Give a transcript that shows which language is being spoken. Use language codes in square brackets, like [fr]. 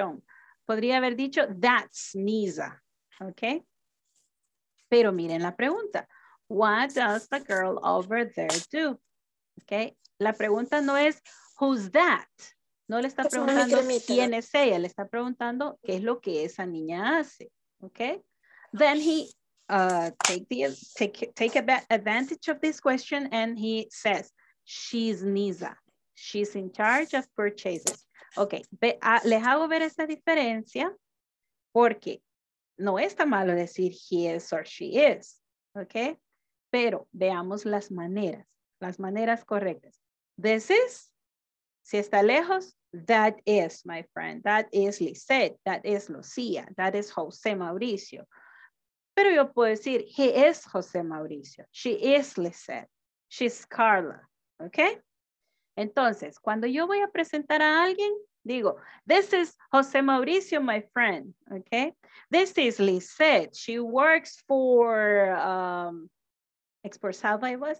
[es] John, podría haber dicho, [en] that's Nisa. Okay. [es] Pero miren la pregunta. [en] What does the girl over there do? Okay. [es] La pregunta no es, [en] who's that? [es] No le está preguntando quién es ella. Le está preguntando qué es lo que esa niña hace. [en] Okay. Then he take advantage of this question and he says, she's Nisa. She's in charge of purchases. Okay, [es] les hago ver esta diferencia porque no está malo decir [en] he is or she is. [es] Okay, pero veamos las maneras correctas. [en] This is, [es] si está lejos, [en] that is my friend, that is Lisette, that is Lucia, that is Jose Mauricio. [es] Pero yo puedo decir, [en] he is [es] José Mauricio. [en] She is Lisette. She's Carla. Okay? [es] Entonces, cuando yo voy a presentar a alguien, digo, [en] this is José Mauricio, my friend. Okay? This is Lisette. She works for Expresalva, it was?